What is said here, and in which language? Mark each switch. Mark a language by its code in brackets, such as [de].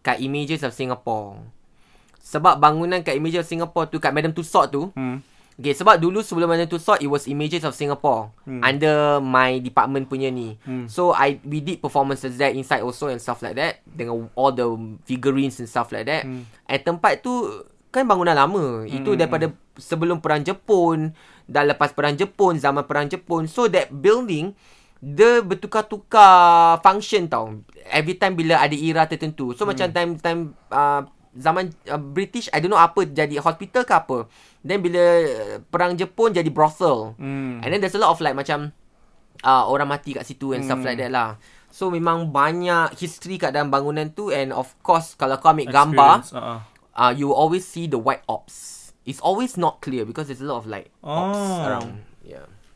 [ms] Kat Images of Singapore. Sebab bangunan kat Images of Singapore tu, kat Madame Tussauds tu. [en] Okay, [ms] sebab dulu sebelum [en] Madame Tussauds, it was Images of Singapore. Under my department [ms] punya ni. [en] So we did performances there inside also and stuff like that. Dengan all the figurines and stuff like that. [ms] And tempat tu kan bangunan lama. Itu daripada sebelum Perang Jepun. Dan lepas Perang Jepun, zaman Perang Jepun. [en] So that building, [ms] dia bertukar-tukar function tau. [en] Every time [ms] bila ada era tertentu. So macam time zaman British, [en] I don't know [ms] apa, jadi hospital ke apa. Then bila Perang Jepun, jadi brothel. [en] And then there's a lot of like [ms] macam orang mati kat situ [en] and stuff like that lah. [ms] So memang banyak history kat dalam bangunan tu. [en] And of course, [ms] kalau kau ambil gambar, [en] you will always see the white ops. It's always not clear because there's a lot of like ops around. Yeah.